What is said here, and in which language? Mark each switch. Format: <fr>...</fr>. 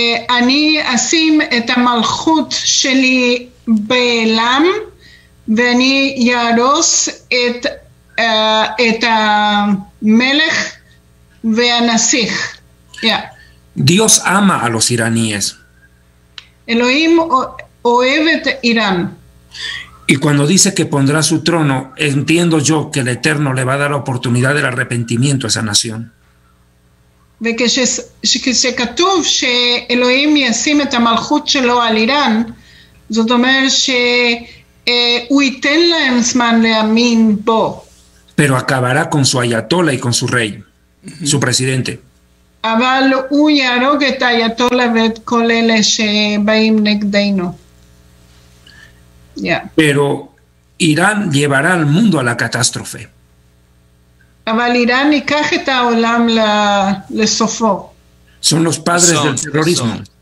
<he>אני אשים את המלכות שלי בעולם ואני יארוס את את המלך והנסיך.</he> <es>Dios ama a los iraníes.</es> <he>Elohim אוהב את איראן.</he> <es>Y cuando dice que pondrá su trono, entiendo yo que el Eterno le va a dar la oportunidad del arrepentimiento a esa nación.</es> <he>וכשכתוב שאלוהים ישים את המלכות שלו על איראן, זאת אומרת שהוא ייתן להם זמן להאמין בו.</he> <es>Pero acabará con su ayatola y con su rey, su presidente.</es> <he>אבל הוא יהרוג את היתולה ואת כל אלה שבאים נגדנו.</he> <es>Pero Irán llevará al mundo a la catástrofe.</es> <he>אבל איראן ייקח את העולם לסופו.</he> <es>Son los padres del terrorismo.</es>